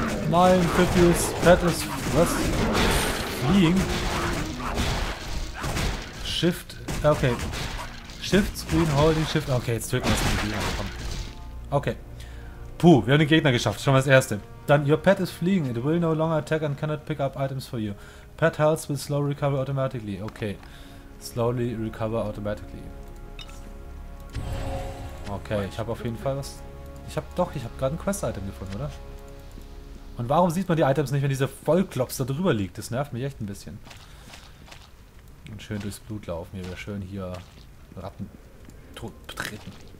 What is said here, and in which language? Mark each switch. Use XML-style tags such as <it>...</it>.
<de>Nein, Pfiffi ist fett ist. Was? Fliegen?</de> <en>Shift. Okay. Shift, Screen, Holding, Shift.</en> <de>Okay, jetzt töten wir uns die Gegner. Okay. Puh, wir haben den Gegner geschafft. Schon mal das erste.</de> <en>Dann, your pet is fleeing. It will no longer attack and cannot pick up items for you. Pet health will slowly recover automatically. Okay. Slowly recover automatically.</en> <de>Okay, ich habe auf jeden Fall was... Ich habe gerade ein Quest-Item gefunden, oder? Und warum sieht man die Items nicht, wenn dieser Vollklops da drüber liegt? Das nervt mich echt ein bisschen. Und schön durchs Blut laufen. Hier wäre schön hier Ratten tot treten.</de>